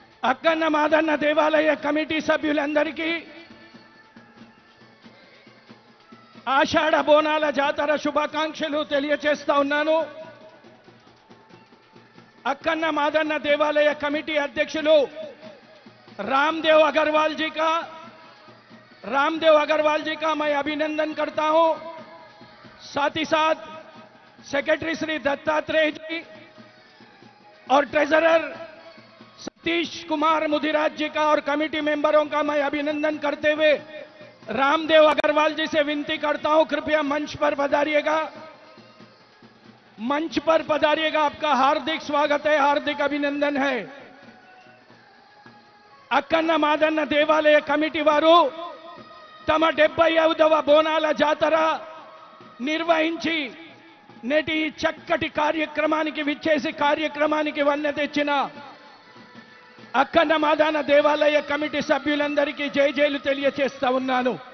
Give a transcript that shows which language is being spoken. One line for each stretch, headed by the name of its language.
Telugu: అక్కన్న మాదన్న దేవాలయ కమిటీ సభ్యులందరికీ ఆషాఢ బోనాల జాతర శుభాకాంక్షలు తెలియజేస్తా ఉన్నాను। అక్కన్న మాదన్న దేవాలయ కమిటీ అధ్యక్షులు రామ్దేవ్ అగర్వాల్ జీకా,
Hindi: रामदेव अग्रवाल जी का मैं अभिनंदन करता हूं, साथ ही साथ सेक्रेटरी श्री दत्तात्रेय जी और ट्रेजरर सतीश कुमार मुदिराज जी का और कमिटी मेंबरों का मैं अभिनंदन करते हुए रामदेव अग्रवाल जी से विनती करता हूं, कृपया मंच पर पधारिएगा, मंच पर पधारिएगा, आपका हार्दिक स्वागत है, हार्दिक अभिनंदन है।
Telugu: अक्कन्न मादन्न देवालय कमिटी वारु तम 75వ బోనాల జాతర నిర్వహించి నేటి చక్కటి కార్యక్రమానికి విచ్చేసి కార్యక్రమానికి వన్న తెచ్చిన అక్కన్న మాదాన దేవాలయ కమిటీ సభ్యులందరికీ జయజయలు తెలియజేస్తా ఉన్నాను।